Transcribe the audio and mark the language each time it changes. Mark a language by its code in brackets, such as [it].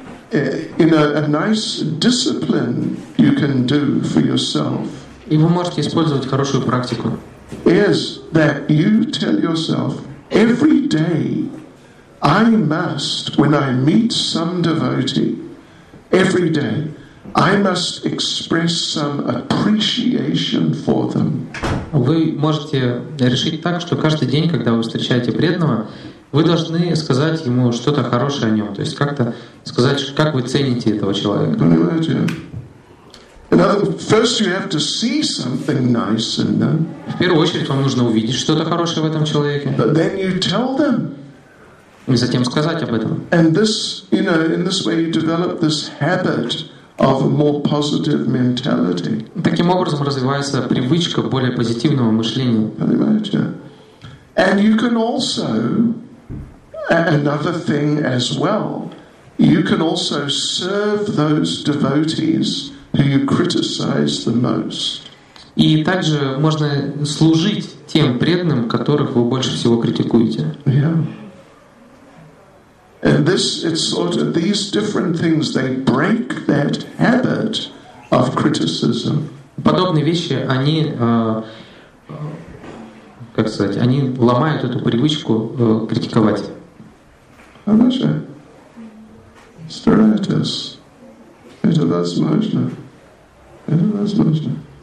[en] In a nice discipline you can do for yourself. [ru] И вы можете использовать хорошую практику. [en] Is that you tell yourself every day I must, when I meet some devotee, every day I must express some appreciation for them. [ru] Вы можете решить так, что каждый день, когда вы встречаете преданного, вы должны сказать ему что-то хорошее о нем, то есть как-то сказать, как вы цените этого человека. Понимаете? [en] Now, first you have to see something nice in them. [ru] В первую очередь вам нужно увидеть что-то хорошее в этом человеке. [en] But then you tell them. [ru] И затем сказать об этом. [en] And this, you know, in this way you develop this habit of a more positive mentality. [ru] Таким образом развивается привычка более позитивного мышления. Понимаете? [en] And you can also another thing as well. You can also serve those devotees who you criticize the most. [ru] И также можно служить тем преданным, которых вы больше всего критикуете. [en] Yeah. And this, it's sort of these different things, they break that habit of criticism. [ru] Подобные вещи, они как сказать, они ломают эту привычку критиковать. Spiritus. Это возможно. Это возможно.